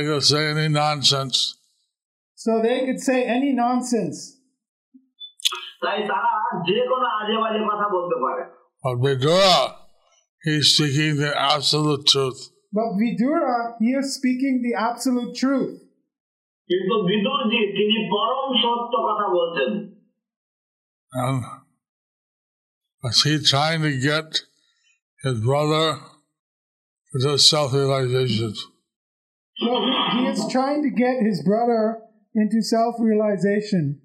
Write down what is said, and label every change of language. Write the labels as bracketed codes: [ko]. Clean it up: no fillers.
[en] They could say any nonsense. So they could say any nonsense. [bn] তাই তারা যে কোনো আজেবাজে কথা বলতে পারে। [en] But Vidura, he is speaking the absolute truth. But Vidura, he is speaking the absolute truth. [bn] কিন্তু বিদুর জি, তিনি পরম সত্য কথা বলছেন। [en] And was he trying to get his brother to do self-realization? So he is trying to get his brother into self-realization.